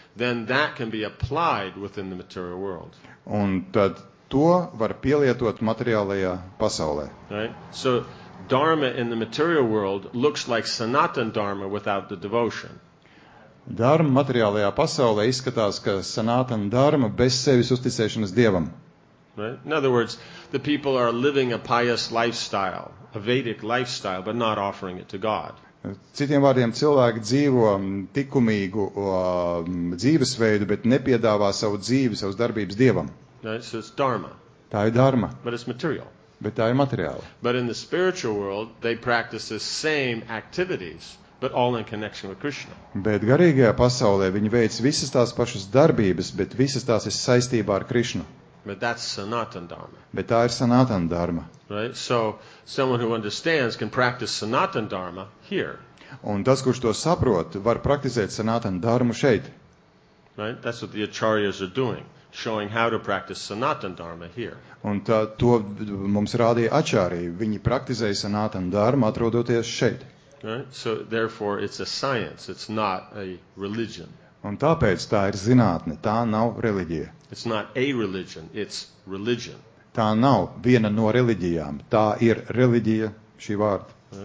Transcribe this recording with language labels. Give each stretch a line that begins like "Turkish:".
English: Then that can be applied within the material world.
Latvian: Un tad to var pielietot materiālajā pasaulē.
English: Right? So dharma in the material world looks like sanatan dharma without the devotion.
Latvian: Dharma materiālajā pasaulē izskatās, ka sanātan dharma bez sevis uzticēšanas Dievam.
English: Right? In other words, the people are living a pious lifestyle, a Vedic lifestyle, but not offering it to God.
Latvian: Citiem vārdiem, cilvēki dzīvo tikumīgu dzīvesveidu, bet nepiedāvā savu dzīvi, savus darbības Dievam.
English: Right? So it's dharma.
Latvian: Tā ir dharma.
English: But it's material.
Latvian: Bet tā ir materiāla.
English: But in the spiritual world, they practice the same activities. But all in connection with Krishna.
Latvian: Bet garīgajā pasaulē viņi veic visas tās pašas darbības, bet visas tās ir saistībā ar Krišnu.
English: But that's sanatana dharma.
Latvian: Bet tā ir sanatana dharma.
English: Right? So someone who understands can practice sanatana dharma here.
Latvian: Un tas, kurš to saprot, var praktizēt sanatana dharmu šeit.
English: Right? That's what the acharyas are doing, showing how to practice sanatana dharma here.
Latvian: Un tā, to mums rādīja acārī, viņi praktizēja sanatana dharmu atrodoties šeit.
English: Right? So therefore it's a science, it's not a religion.
Latvian: Un tāpēc tā ir zinātne, tā nav reliģija.
English: It's not a religion, it's religion.
Latvian: Tā nav viena no reliģijām, tā ir reliģija, šī vārda,
English: right.